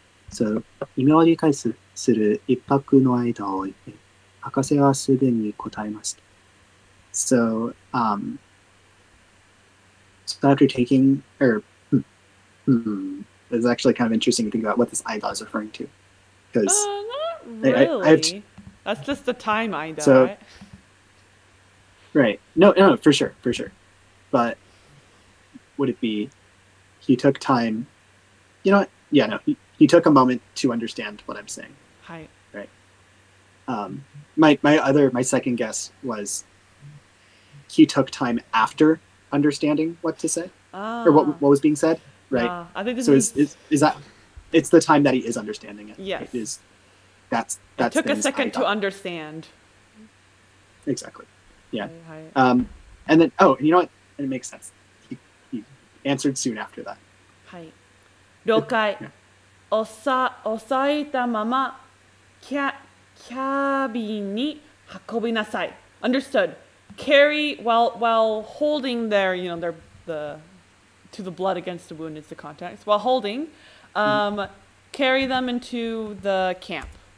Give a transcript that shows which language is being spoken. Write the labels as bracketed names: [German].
[Japanese] So, 意味を理解する一泊の間を置いて、博士はすでに答えました。 [English] So, after taking, it's actually kind of interesting to think about what this 間 is referring to. Because, not really. That's just the time 間, so, right? Right. No, for sure. But, would it be? He took time. You know what? Yeah, no. He took a moment to understand what I'm saying. Hi. Right. My second guess was he took time after understanding what to say. Or what was being said. Right. I think this so is that it's the time that he is understanding it. Yes. Right? That's it took a second to understand. Exactly. Yeah. Hi. And then you know what? And it makes sense. He answered soon after that. [Japanese] Hi. 了解。押さえたままキャビンに運びなさい。 [English] Understood. Carry while holding their, you know, to the blood against the wound is the context. While holding, carry them into the camp.